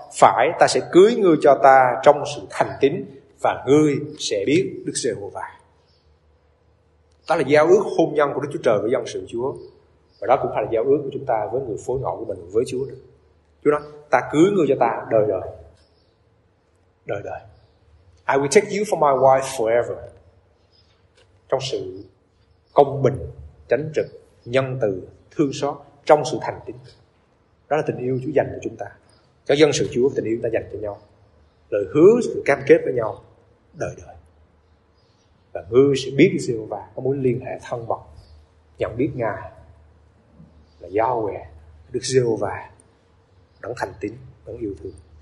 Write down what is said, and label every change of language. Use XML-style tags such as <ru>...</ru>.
<vi>Phải, ta sẽ cưới ngươi cho ta trong sự thành tín, và ngươi sẽ biết Đức Giê-hô-va. Đó là giao ước hôn nhân của Đức Chúa Trời với dân sự Chúa. Và đó cũng phải là giao ước của chúng ta với người phối ngẫu của mình, với Chúa. Chúa nói, ta cưới ngươi cho ta đời đời. Đời đời.</vi> <en>I will take you for my wife forever.</en> <vi>Trong sự công bình, chánh trực, nhân từ, thương xót, trong sự thành tín. Đó là tình yêu Chúa dành cho chúng ta. Cho dân sự Chúa, tình yêu chúng ta dành cho nhau. Lời hứa, sự cam kết với nhau, đời đời. Và ngươi sẽ biết Đức Giê-hô-va, có mối liên hệ thân mật, nhận biết Ngài là Yahweh, Đức Giê-hô-va, đấng thành tín, đấng yêu thương.</vi>